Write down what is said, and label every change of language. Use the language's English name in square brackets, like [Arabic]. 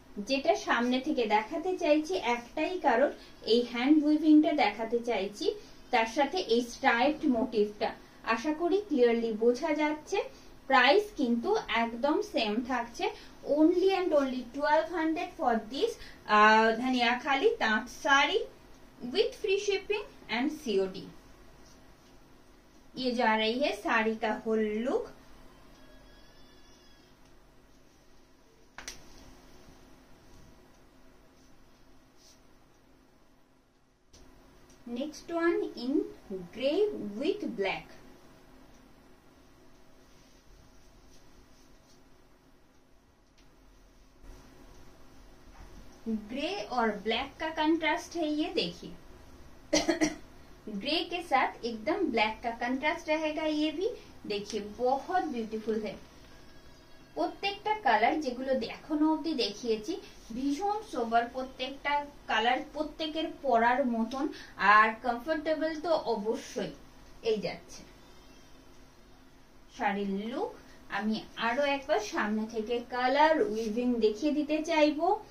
[Bangla] যেটা সামনে থেকে দেখাতে চাইছি একটাই কারণ, এই হ্যান্ড উইভিংটা দেখাতে চাইছি তার সাথে এই স্ট্রাইপড মোটিভটা। আশা করি ক্লিয়ারলি বোঝা যাচ্ছে। প্রাইস কিন্তু একদম সেম থাকছে, [English] Only and only 1200 for this Dhaniakhali তাঁত sari with free shipping and COD. [Hindi] ये जा रही है साड़ी का whole look. [English] Next one in grey with black. [Hindi] Grey और ब्लैक का कंट्रास्ट है ये, देखिए। ग्रे के साथ एकदम ब्लैक का कंट्रास्ट रहेगा। ये भी देखिए बहुत ब्यूटीफुल है। [Bangla] प्रत्येकटा कलर जेगुलो এখনো অবধি দেখিয়েছি ভীষণ সোবার, প্রত্যেকটা কালার প্রত্যেকের পরার মতন আর কমফোর্টেবল তো অবশ্যই। এই যাচ্ছে শাড়ির লুক। আমি আরো একবার সামনে থেকে কালার উইভিং দেখিয়ে দিতে চাইবো।